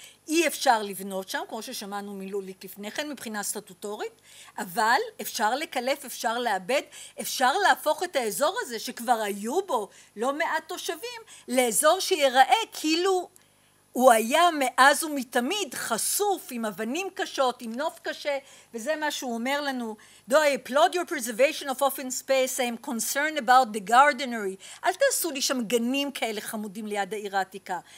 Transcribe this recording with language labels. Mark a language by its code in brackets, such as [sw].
[he] אי אפשר לבנות שם, כמו ששמענו מלוליק לפני כן, מבחינה סטטוטורית, אבל אפשר לקלף, אפשר לאבד, אפשר להפוך את האזור הזה, שכבר היו בו לא מעט תושבים, לאזור שיראה כאילו הוא היה מאז ומתמיד חשוף עם אבנים קשות, עם נוף קשה, וזה מה שהוא אומר לנו. [en] Do I applaud your preservation of open space? I am concerned about the gardenery. [he] אל תעשו לי שם גנים כאלה חמודים ליד העיר העתיקה.